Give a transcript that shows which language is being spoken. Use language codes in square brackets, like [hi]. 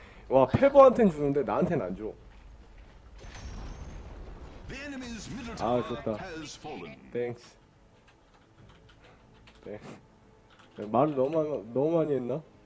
[ko] 와, 패버한텐 주는데 나한텐 안 줘. [en] The enemy's middle tower has fallen. Thanks. [ko] Thanks. 말을 너무 많이 했나?